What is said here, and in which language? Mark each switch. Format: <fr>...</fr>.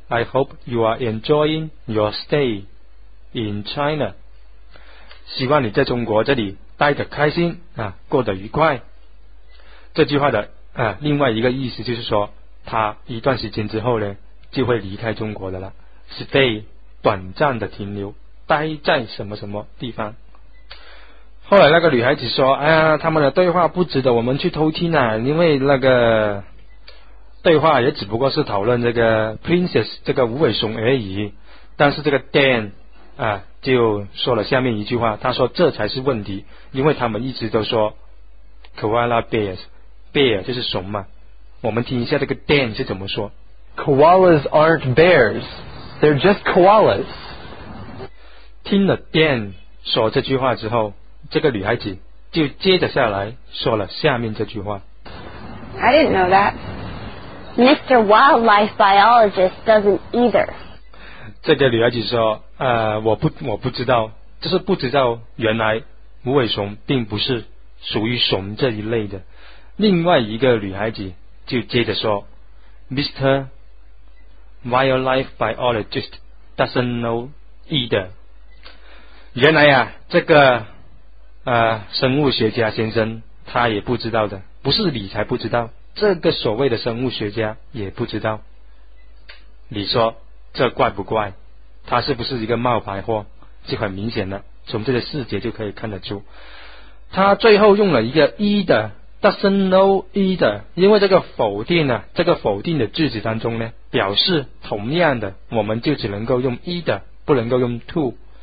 <en>I hope you are enjoying your stay。 In China，</en> <zh>希望你在中国这里待得开心啊，过得愉快。这句话的啊，另外一个意思就是说，他一段时间之后呢，就会离开中国的了。 Stay， 短暂的停留，待在什么什么地方。后来那个女孩子说：“哎呀，他们的对话不值得我们去偷听啊，因为那个对话也只不过是讨论这个 Princess 这个无尾熊而已。” 但是这个 Dan。啊，就说了下面一句话，他说这才是问题，因为他们一直都说 koala bears 就是熊嘛。我们听一下这个 Dan 是怎么说。</zh> <en>Koalas aren't bears, they're just koalas.</en> <zh>听了 Dan 说这句话之后，这个女孩子就接着下来说了下面这句话。</zh> <en>I didn't know that. Mr. Wildlife Biologist doesn't either.</en> <zh>这个女孩子说我不知道，就是不知道原来无尾熊并不是属于熊这一类的。另外一个女孩子就接着说 Mr.</zh> <en>Wildlife Biologist doesn't know either。</en> <zh>原来啊，这个生物学家先生他也不知道的，不是你才不知道，这个所谓的生物学家也不知道。你说这怪不怪？他是不是一个冒牌货？就很明显了，从这个细节就可以看得出。他最后用了一个</zh> <en>either doesn't know either，</en> <zh>因为这个否定呢，这个否定的句子当中呢，表示同样的，我们就只能够用 either， 不能够用 to。</zh>